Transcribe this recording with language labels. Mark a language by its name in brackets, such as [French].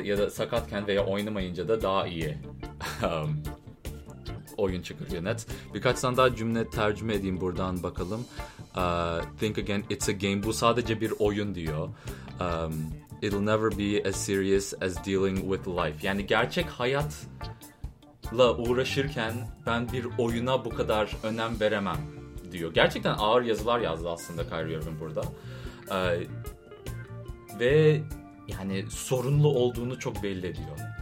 [Turkish] Sakatken veya oynamayınca da daha iyi oyun çıkarıyor net. Birkaç tane daha cümle tercüme edeyim buradan bakalım. [English] Think again, it's a game. [Turkish] Bu sadece bir oyun diyor. [English] It'll never be as serious as dealing with life. [Turkish] Yani gerçek hayatla uğraşırken ben bir oyuna bu kadar önem veremem diyor. Gerçekten ağır yazılar yazdı aslında Kyrie Irving burada. Ve yani sorunlu olduğunu çok belli ediyor.